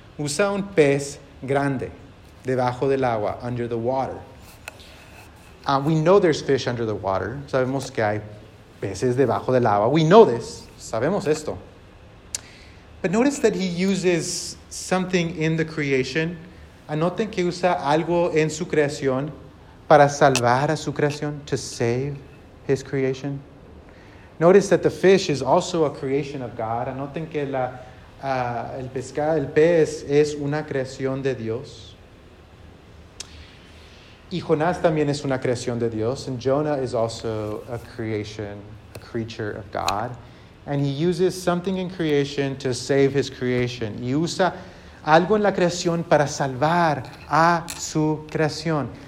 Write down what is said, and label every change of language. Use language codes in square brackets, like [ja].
[es] Usa un pez grande. Debajo del agua, [en] under the water. We know there's fish under the water. [es] Sabemos que hay peces debajo del agua. [en] We know this. [es] Sabemos esto. [en] But notice that he uses something in the creation. [es] Anoten que usa algo en su creación para salvar a su creación, [en] to save his creation. Notice that the fish is also a creation of God. [es] Anoten que la el pescado, el pez, es una creación de Dios. Y Jonás también es una creación de Dios. [en] And Jonah is also a creation, a creature of God. And he uses something in creation to save his creation. [es] Y usa algo en la creación para salvar a su creación.